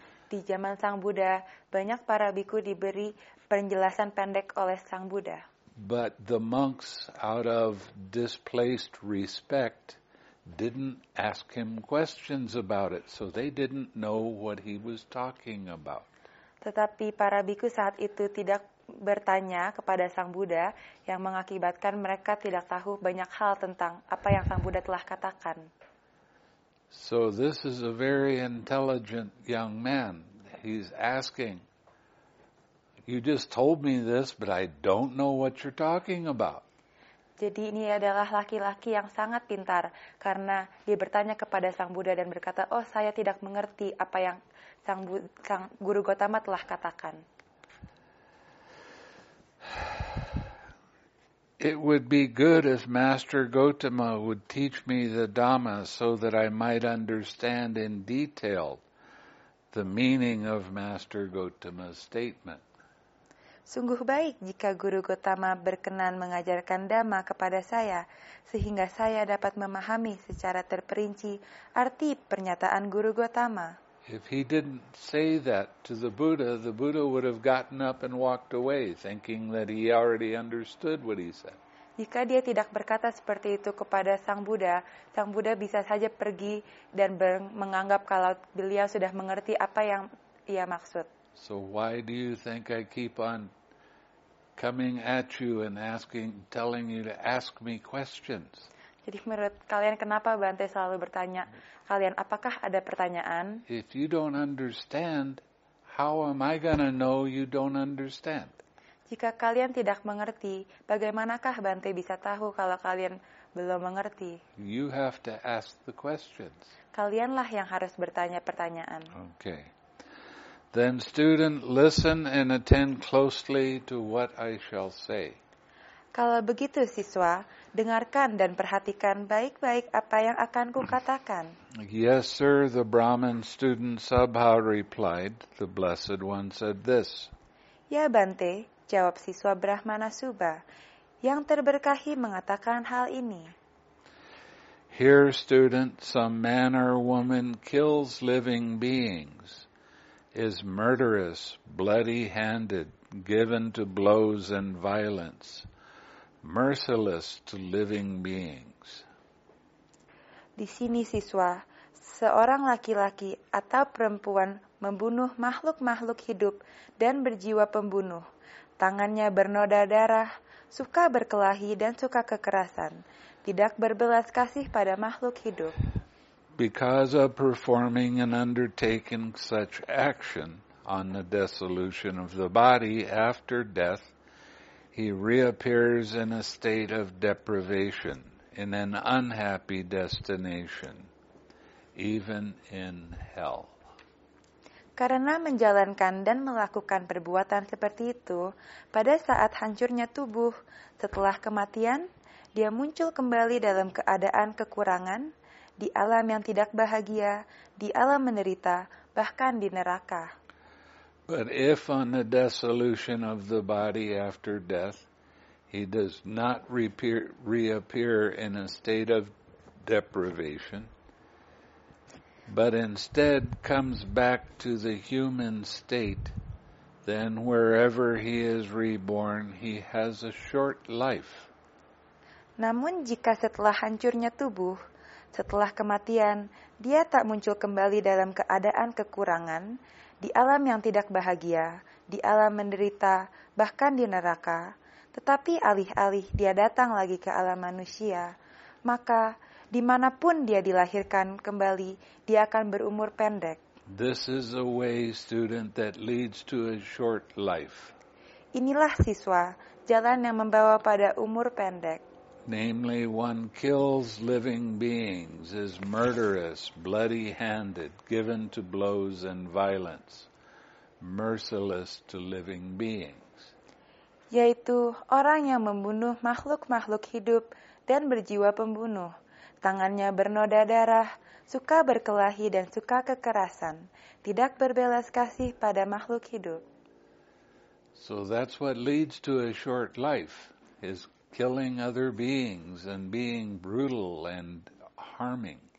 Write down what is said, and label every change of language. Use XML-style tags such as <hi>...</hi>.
<id>Di zaman Sang Buddha, banyak para bhikkhu diberi penjelasan pendek oleh Sang Buddha.</id> <en>But the monks, out of displaced respect, didn't ask him questions about it, so they didn't know what he was talking about.</en> <id>Tetapi para bhikkhu saat itu tidak bertanya kepada Sang Buddha, yang mengakibatkan mereka tidak tahu banyak hal tentang apa yang Sang Buddha telah katakan.</id> <en>So this is a very intelligent young man. He's asking, "You just told me this, but I don't know what you're talking about."</en> <id>Jadi ini adalah laki-laki yang sangat pintar karena dia bertanya kepada Sang Buddha dan berkata, "Oh, saya tidak mengerti apa yang Sang Guru Gotama telah katakan."</id> <en>It would be good if Master Gotama would teach me the Dhamma so that I might understand in detail the meaning of Master Gotama's statement.</en> <id>Sungguh baik jika Guru Gotama berkenan mengajarkan Dhamma kepada saya, sehingga saya dapat memahami secara terperinci arti pernyataan Guru Gotama.</id> <en>If he didn't say that to the Buddha would have gotten up and walked away, thinking that he already understood what he said.</en> <id>Jika dia tidak berkata seperti itu kepada Sang Buddha bisa saja pergi dan menganggap kalau beliau sudah mengerti apa yang ia maksud.</id> <en>So why do you think I keep on coming at you and asking, telling you to ask me questions?</en> <id>Jadi menurut kalian kenapa Bante selalu bertanya? Kalian apakah ada pertanyaan?</id> <en>If you don't understand, how am I gonna know you don't understand?</en> <id>Jika kalian tidak mengerti, bagaimanakah Bante bisa tahu kalau kalian belum mengerti?</id> <en>You have to ask the questions.</en> <id>Kalianlah yang harus bertanya pertanyaan.</id> <en>Okay. Then student, listen and attend closely to what I shall say.</en> <id>Kalau begitu siswa, dengarkan dan perhatikan baik-baik apa yang akan kukatakan.</id> <en>Yes, sir, the Brahmin student Sabha replied. The Blessed One said this.</en> <id>Ya, Bante, jawab siswa Brahmana Subha. Yang terberkahi mengatakan hal ini.</id> <en>Here, student, some man or woman kills living beings, is murderous, bloody-handed, given to blows and violence. Merciless to living beings.</en> <id>Di sini siswa, seorang laki-laki atau perempuan membunuh makhluk-makhluk hidup dan berjiwa pembunuh. Tangannya bernoda darah, suka berkelahi dan suka kekerasan. Tidak berbelas kasih pada makhluk hidup.</id> <en>Because of performing and undertaking such action on the dissolution of the body after death, he reappears in a state of deprivation, in an unhappy destination, even in hell.</en> <id>Karena menjalankan dan melakukan perbuatan seperti itu, pada saat hancurnya tubuh, setelah kematian, dia muncul kembali dalam keadaan kekurangan, di alam yang tidak bahagia, di alam menderita, bahkan di neraka.</id> <en>But if on the dissolution of the body after death, he does not reappear in a state of deprivation, but instead comes back to the human state, then wherever he is reborn, he has a short life.</en> <id>Namun jika setelah hancurnya tubuh, setelah kematian, dia tak muncul kembali dalam keadaan kekurangan, di alam yang tidak bahagia, di alam menderita, bahkan di neraka, tetapi alih-alih dia datang lagi ke alam manusia, maka dimanapun dia dilahirkan kembali, dia akan berumur pendek.</id> <en>This is a way, student, that leads to a short life.</en> <id>Inilah siswa, jalan yang membawa pada umur pendek.</id> <en>Namely, one kills living beings, is murderous, bloody-handed, given to blows and violence, merciless to living beings.</en> <id>Yaitu orang yang membunuh makhluk-makhluk hidup dan berjiwa pembunuh, Tangannya bernoda darah, suka berkelahi dan suka kekerasan, tidak berbelas kasih pada makhluk hidup.</id> <en>So that's what leads to a short life, is killing other beings and being brutal and harming.</en>